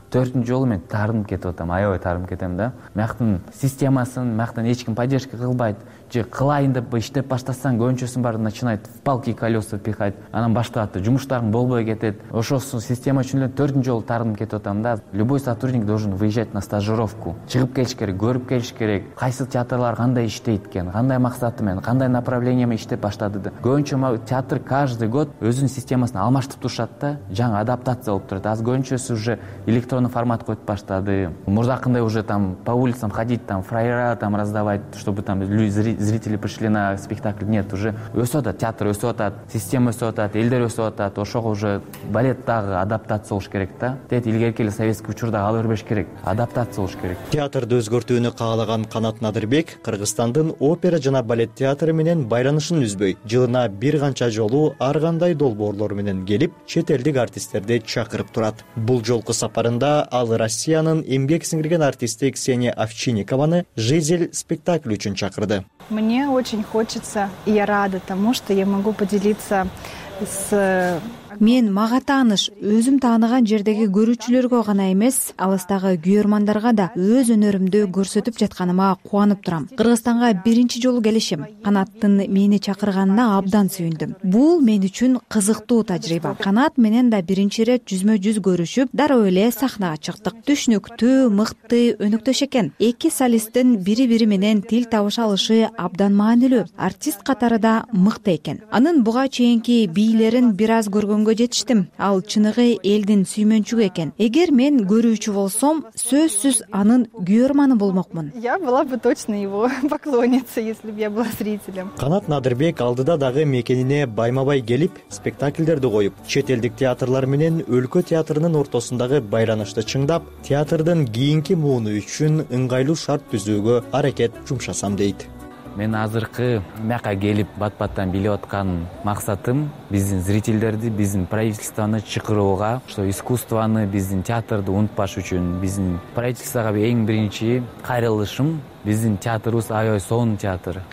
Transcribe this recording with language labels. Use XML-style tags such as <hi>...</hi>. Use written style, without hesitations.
<ky>4-жү жолу мен тарынып кетип атам, аябай тарынып кетем да. Мяктын системасын, мяктан эч ким поддержка кылбайт. Же кылайын деп иштеп баштасаң, көнчөсүн баары</ky> <ru>начинает палки колеса пихать,</ru> <ky>анан баштайт да жумуштарың болбой кетет. Ошосун система үчүн эле 4-жү жолу тарынып кетип атам да.</ky> <ru>Любой сотрудник должен выезжать на стажировку.</ru> <ky>Чыгып келиш керек, көрүп келиш керек. Кайсы театрлар кандай иштейт экен, кандай максаты менен, кандай направлениями иштеп баштады да. Көнчө театр каждый год өзүнүн системасын алмаштырып турушат да, жаңы адаптация болуп турат. Аз көнчөсү уже электронный формат коюп баштады.</ky> <ru>Мурзакындай уже там по улицам ходить, там фраера там раздавать, чтобы там люди зрители пришли на спектакль. Нет, уже</ru> <ky>өсөт атат, театр өсөт атат, система өсөт атат, элдер өсөт атат. Ошого уже балет дагы адаптация болуш керек да. Тет илгерки эле</ky> <ru>советский учурда</ru> <ky>ала бербеш керек. Адаптация болуш керек. Театрды өзгөртүүнү каалаган Канат Надырбек Кыргызстандын опера жана балет театры менен байланышын үзбөй, жылына бир канча жолу ар кандай долбоорлор менен келип, чет элдик артисттерди чакырып турат. Бул жолку сапарында ал Россиянын эмгек сиңирген артисти Ксения Овчинникованы Жизель спектакль үчүн чакырды.</ky> <ru>Мне очень хочется, и я рада тому, что я могу поделиться с...</ru> <ky>Мен мага тааныш, өзүм тааныган жердеги көрүүчүлөргө гана эмес, алыстагы күйөрмандарга да өз өнөрүмдү көрсөтүп жатканыма кубанып турам. Кыргызстанга биринчи жолу келишим. Канаттын мени чакырганына абдан сүйүндүм. Бул мен үчүн кызыктуу тажрыйба. Канат менен да биринчи ирет жүзмө-жүз көрүшүп, дароо эле сахнага чыктык. Түшүнүктүү, мыкты өнөктөш экен. Эки солисттин бири-бири менен тил табыша алышы абдан маанилүү. Артист катары да мыкты экен. Анын буга чейинки бийлерин бир аз көргөнгө жетиштим. Ал чыныгы элдин сүймөнчүгү экен. Эгер мен көрүүчү болсом, сөзсүз анын күйөрманы болмокмун.</ky> <ru>Я была бы точно его поклонница, если бы я была зрителем.</ru> <ky>Канат Надырбек алдыда дагы мекенине байма-бай келип, спектакльдерди коюп, чет элдик театрлар менен өлкө театрынын ортосундагы байланышты чыңдап, театрдын кийинки мууну үчүн ыңгайлуу шарт түзүүгө аракет жумшасам дейт. Мен азыркы мяка келип бат-баттан билип аткан максатым биздин зрителдерди, биздин правительствону чакырууга, что искусствону, биздин театрды унутпаш үчүн, биздин правительствога эң биринчи кайрылышым биздин театрыбыз аябай сонун театр.</ky>